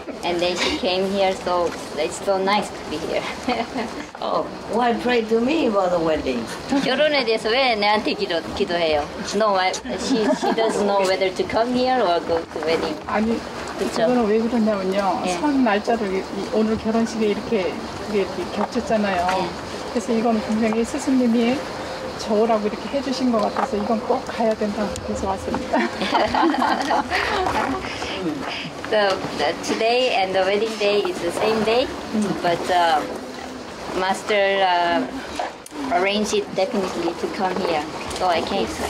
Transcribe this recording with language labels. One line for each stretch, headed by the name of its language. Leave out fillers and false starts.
English: And then she came here, so it's so nice to be here. Oh, why pray to me about the wedding?
Korean: 결혼에 대해서 왜 내한테 기도해요?
English: No, she doesn't know whether to come here or go to wedding.
Korean: 아니, 그쵸? 그거는 왜 그러냐면요. 선 날짜를 오늘 결혼식에 이렇게 겹쳤잖아요. 그래서 이건 굉장히 스승님이 저라고 이렇게 해주신 것 같아서 이건 꼭 가야 된다 해서 왔습니다.
English: So today and the wedding day is the same day, but Master arranged it definitely to come here, so I came.